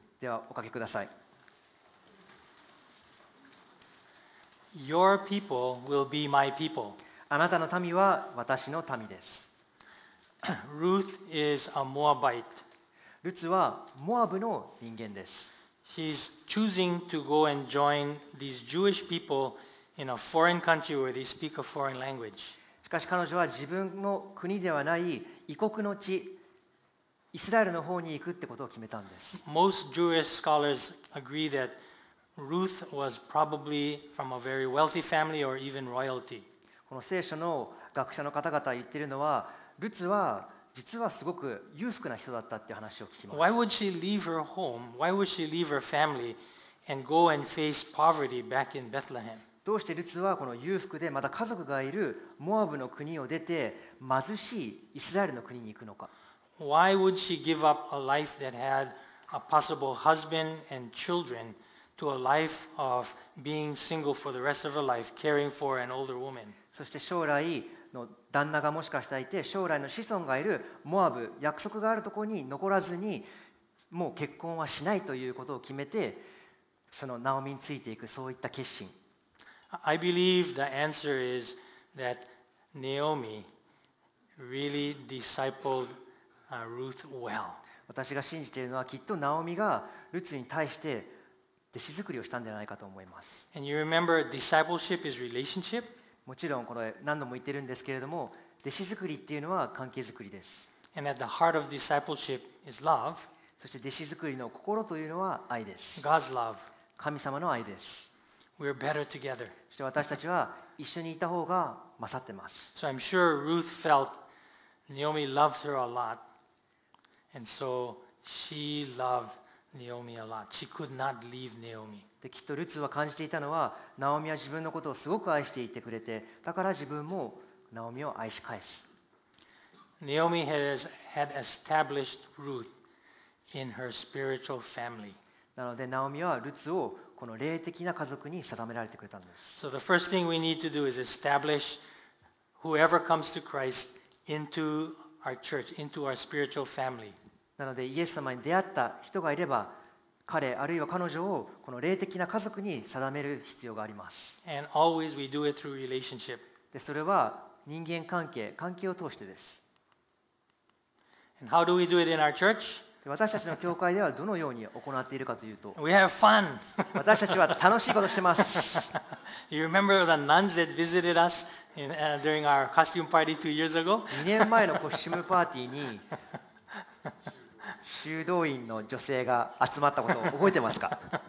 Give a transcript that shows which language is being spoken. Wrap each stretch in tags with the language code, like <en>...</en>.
<ja>ではおかけください。</ja> <en>Your people will be my people.</en> <ja>あなたの民は私の民です。</ja> <en>Ruth is a Moabite.</en> <ja>ルツはモアブの人間です。</ja> <en>She's choosing to go and join these Jewish people in a foreign country where they speak a foreign language.</en> <ja>しかし彼女は自分の国ではない異国の地、イスラエルの方に行くってことを決めたんです。</ja> <en>Most Jewish scholars agree that Ruth was probably from a very wealthy family or even royalty.</en> <ja>この聖書の学者の方々が言っているのは、ルツは実はすごく裕福な人だったって話を聞きます。</ja> <en>Why would she leave her home? Why would she leave her family and go and face poverty back in Bethlehem?</en> <ja>どうしてルツはこの裕福でまた家族がいるモアブの国を出て貧しいイスラエルの国に行くのか。</ja> <en>Why would she give up a life that had a possible husband and children to a life of being single for the rest of her life, caring for an older woman?</en> <ja>そして将来の旦那がもしかしたらいて、将来の子孫がいるモアブ、約束があるところに残らずに、もう結婚はしないということを決めて、そのナオミについていく、そういった決心。</ja> <en>I believe the answer is that Naomi really discipled Ruth well.</en> <ja>私が信じているのは、きっとナオミがルツに対して弟子作りをしたんじゃないかと思います。</ja> <en>And you remember, discipleship is relationship?</en> <ja>もちろんこれ何度も言ってるんですけれども、弟子作りっていうのは関係作りです。</ja> <en>And at the heart of discipleship is love.</en> <ja>そして弟子作りの心というのは愛です。</ja> <en>God's love.</en> <ja>神様の愛です。</ja> <en>We're better together.</en> <ja>そして私たちは一緒にいた方が勝ってます。</ja> <en>So I'm sure Ruth felt Naomi loved her a lot, And so she loved Naomi a lot. She could not leave Naomi.</en> <ja>で、きっとルツは感じていたのは、ナオミは自分のことをすごく愛していてくれて、だから自分もナオミを愛し返し。</ja> <en>Naomi had established Ruth in her spiritual family.</en> <ja>なので、ナオミはルツをこの霊的な家族に定められてくれたんです。</ja> <en>So the first thing we need to do is establish whoever comes to Christ into our church, into our spiritual family.</en> <ja>なので、イエス様に出会った人がいれば、彼あるいは彼女をこの霊的な家族に定める必要があります。</ja> <en>And always we do it through relationship.</en> <ja>で、それは人間関係、関係を通してです。</ja> <en>And how do we do it in our church?</en> <ja>私たちの教会ではどのように行っているかというと、</ja> <en>We have fun.</en> <ja>私たちは楽しいことをしてます。</ja> <en>You remember the nuns that visited us during our costume party 2 years ago?</en> <ja>2年前のコスチュームパーティーに修道院の女性が集まったことを覚えてますか？</ja>